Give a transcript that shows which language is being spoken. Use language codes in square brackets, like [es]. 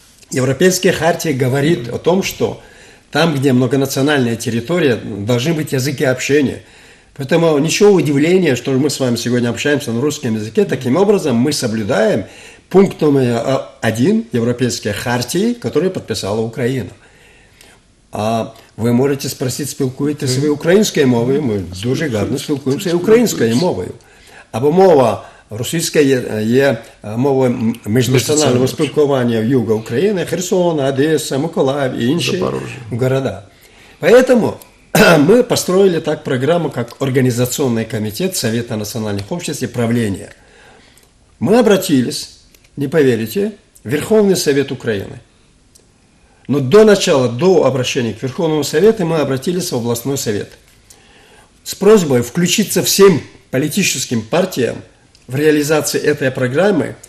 [ru] Европейская хартия говорит о том, что там, где многонациональная территория, должны быть языки общения. Поэтому ничего удивления, что мы с вами сегодня общаемся на русском языке. Таким образом, мы соблюдаем пункт номер один Европейской хартии, которую подписала Украина. А вы можете спросить, [uk] спілкуєтеся ви українською мовою? Ми дуже гарно спілкуємося українською мовою. Або мова російська є мовою міжнаціонального спілкування в югу України, Херсон, Одеса, Миколаїв і інші города. [ru] Поэтому мы построили так программу, как Организационный комитет Совета национальных обществ и правления. Мы обратились, не поверите, в Верховный Совет Украины. Но до начала, до обращения к Верховному Совету, мы обратились в областной совет с просьбой включиться всем политическим партиям в реализации этой программы.